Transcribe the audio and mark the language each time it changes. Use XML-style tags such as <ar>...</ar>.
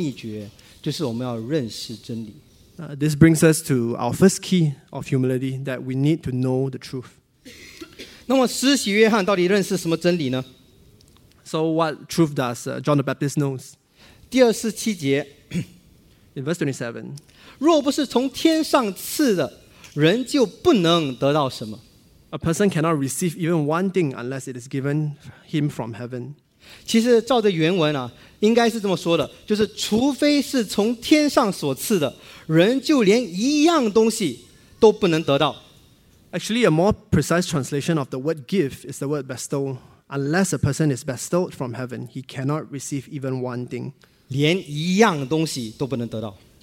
<zh>因此谦卑的第一个秘诀就是我们要认识真理。</zh> <en>This brings us to our first key of humility, that we need to know the truth.</en> <zh>那么施洗约翰到底认识什么真理呢？</zh> <en>So what truth does John the Baptist know?</en> <zh>第二十七节，</zh> <en>In verse 27,</en> <zh>若不是从天上赐的， 人就不能得到什么。</zh> <en>A person cannot receive even one thing unless it is given him from heaven.</en> <zh>其实照着原文啊， 应该是这么说的， 就是除非是从天上所赐的， 人就连一样东西都不能得到。</zh> <en>Actually, a more precise translation of the word give is the word bestow. Unless a person is bestowed from heaven, he cannot receive even one thing.</en> <zh>连一样东西都不能得到。</zh>